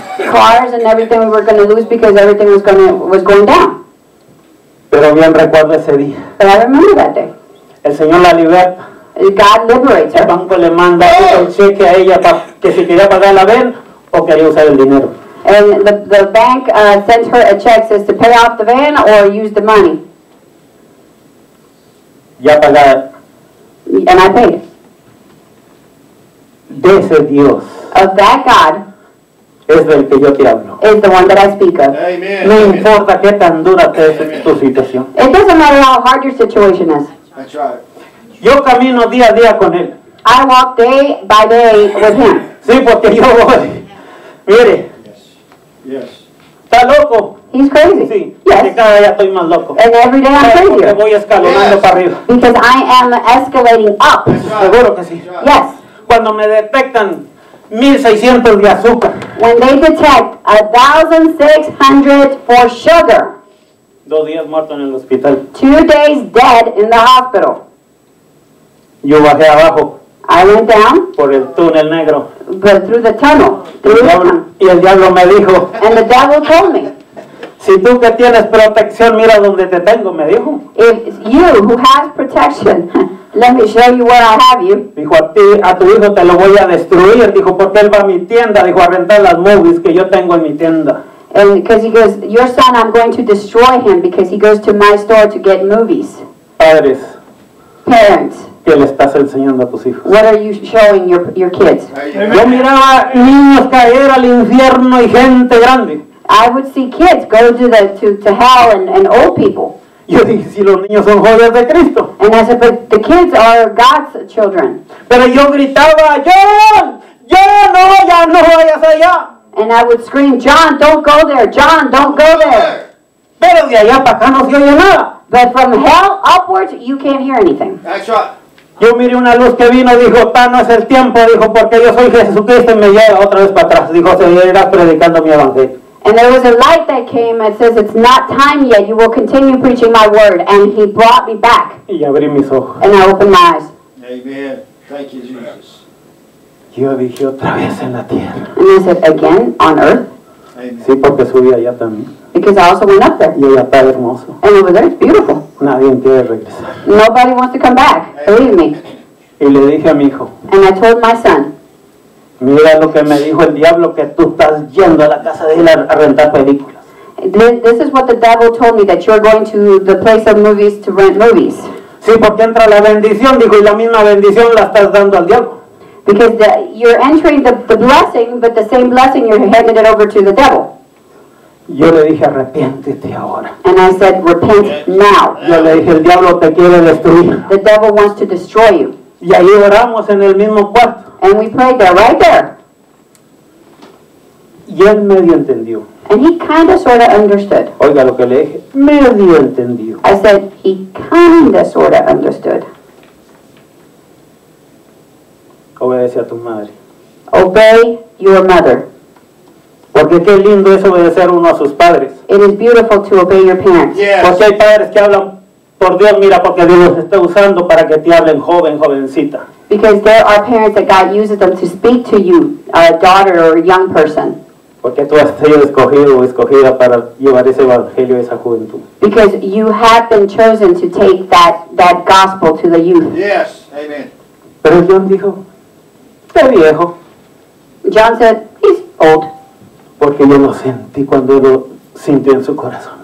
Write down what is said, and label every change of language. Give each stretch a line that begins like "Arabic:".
English: Cars and everything we were going to lose because everything was going down.
Spanish: Pero bien recuerdo ese día.
English: But I remember that day.
Spanish: El Señor la liberta.
English: God liberates her.
Spanish: El banco le manda el cheque a ella para que si quería pagar la van o quería usar el dinero.
English: And the bank sent her a check, says to pay off the van or use the money.
Spanish: Ya pagada.
English: And I paid.
Spanish: De ese Dios.
English: Of that God.
Spanish: Es del que yo te hablo.
English: Is the one that I speak of.
Spanish: No importa qué tan dura sea tu situación.
English: It doesn't matter how hard your situation is. That's right.
Spanish: Yo camino día a día con él.
English: I walk day by day with him.
Spanish: Sí, porque yo voy. Mire.
English: Yes. Yes.
Spanish: Está loco.
English: He's crazy.
Spanish: Sí.
English: Yes.
Spanish: Cada día estoy más loco.
English: And every day I'm crazier.
Spanish: Porque voy escalonando para arriba.
English: Because I am escalating up.
Spanish: Seguro que sí.
English: Yes.
Spanish: Cuando me detectan 1,600 de azúcar.
English: When they detect 1,600 for sugar.
Spanish: 2 días muerto en el hospital.
English: 2 days dead in the hospital.
Spanish: Yo bajé abajo.
English: I went down.
Spanish: Por el túnel negro.
English: But through the tunnel. Through
Spanish: el y el diablo me dijo.
English: And the devil told me.
Spanish: Si tú que tienes protección, mira donde te tengo, me dijo.
English: If you who has protection, let me show you where I have you.
Spanish: Dijo, a tu hijo te lo voy a destruir. Dijo, porque él va a mi tienda. Dijo, a rentar las movies que yo tengo en mi tienda.
English: And because he goes, your son, I'm going to destroy him because he goes to my store to get movies.
Spanish: Padres.
English: Parents.
Spanish: ¿Qué le estás enseñando a tus hijos?
English: What are you showing your kids?
Spanish: Yo miraba niños caer al infierno y gente grande.
English: I would see kids go to hell and old people.
Spanish: Yo dije, si los niños son joyas de Cristo.
English: And I said, but the kids are God's children.
Spanish: Pero yo gritaba, John, John, no vayas, no vayas allá.
English: And I would scream, John, don't go there, John, don't go there.
Spanish: Pero de allá para acá no se oye nada.
English: But from hell upwards, you can't hear anything. That's right.
Spanish: Yo miré una luz que vino, dijo, no es el tiempo, dijo, porque yo soy Jesucristo, y me lleva otra vez para atrás. Dijo, se irá predicando mi evangelio.
English: And there was a light that came and says, it's not time yet. You will continue preaching my word. And he brought me back.
Spanish: Y abrí mis ojos.
English: And I opened my eyes. Amen. Thank you, Jesus.
Spanish: Yo dije otra vez en la tierra.
English: And I said, again, on earth? Amen.
Spanish: Sí, porque subí allá también.
English: Because I also went up there.
Spanish: Y allá está hermoso.
English: And over there, it's beautiful.
Spanish: Nadie quiere regresar.
English: Nobody wants to come back. Amen. Believe me.
Spanish: Y le dije a mi hijo.
English: And I told my son.
Spanish: Mira lo que me dijo el diablo, que tú estás yendo a la casa de él a rentar películas.
English: This is what the devil told me, that you're going to the place of movies to rent movies.
Spanish: Sí, porque entra la bendición, dijo, y la misma bendición la estás dando al diablo.
English: Because you're entering the blessing, but the same blessing you're handing it over to the devil.
Spanish: Yo le dije, arrepiéntete ahora.
English: And I said, repent now.
Spanish: Yo le dije, el diablo te quiere destruir.
English: The devil wants to destroy you.
Spanish: Y ahí oramos en el mismo cuarto.
English: And we prayed there, right there.
Spanish: Y él medio entendió.
English: And he kind of sort of understood.
Spanish: Oiga lo que le dije. Medio entendió.
English: I said, he kind of sort of understood.
Spanish: Obedece a tu madre.
English: Obey your mother.
Spanish: Porque qué lindo es obedecer uno a sus padres.
English: It is beautiful to obey your parents. Yes.
Spanish: Porque hay padres que hablan por Dios, mira, porque Dios los está usando para que te hablen joven, jovencita.
English: Because there are parents that God uses them to speak to you, a daughter or a young person.
Spanish: Porque tú has sido escogido o escogida para llevar ese evangelio a esa juventud.
English: Because you have been chosen to take that gospel to the youth. Yes, amen.
Spanish: Pero John dijo, está viejo.
English: John said, he's old.
Spanish: Porque yo lo sentí cuando lo sintió en su corazón.